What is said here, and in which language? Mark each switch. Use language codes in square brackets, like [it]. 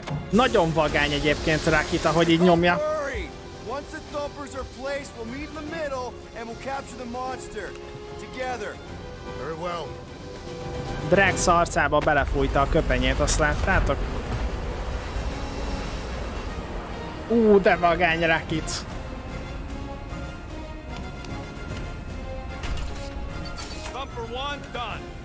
[hu] Nagyon vagány egyébként Rakita, hogy így nyomja. [en] Don't worry! Once the thumpers are placed, we'll meet in the middle, and we'll capture the monster. Together. Very well. [hu] Drax arcába belefújta a köpenyét, azt láttátok? De vagány Rakit! [en] Thumper 1, done!